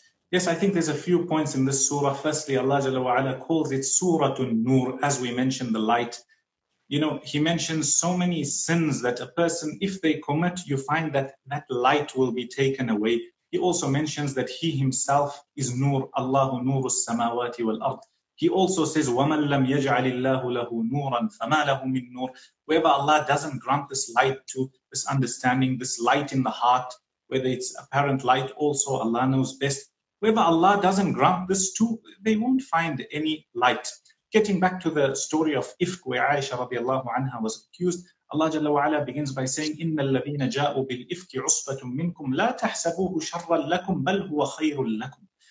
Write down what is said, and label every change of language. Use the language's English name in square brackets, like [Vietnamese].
[English] Yes, I think there's a few points in this surah. Firstly, Allah Jalla wa Ala calls it Surah An-Nur, as we mentioned, the light. You know, he mentions so many sins that a person, if they commit, you find that that light will be taken away. He also mentions that he himself is Nur, [Arabic] Allahu Nur as-samawati wal-ard. [English] He also says, [Arabic] وَمَنْ لَمْ يَجْعَلِ اللَّهُ لَهُ نُورًا فَمَا لَهُ مِنْ نُورٍ. [English] Whoever Allah doesn't grant this light to, this understanding, this light in the heart, whether it's apparent light also, Allah knows best. Whoever Allah doesn't grant this to, they won't find any light. Getting back to the story of Ifk, where Aisha radiallahu anha was accused, Allah jalla wa ala begins by saying, [Arabic] إِنَّ الَّذِينَ جَاءُوا بِالْإِفْكِ عُصْبَةٌ مِّنْكُمْ لَا تَحْسَبُوهُ شَرًّا لَكُمْ بَلْ هُوَ خَيْرٌ لَكُمْ.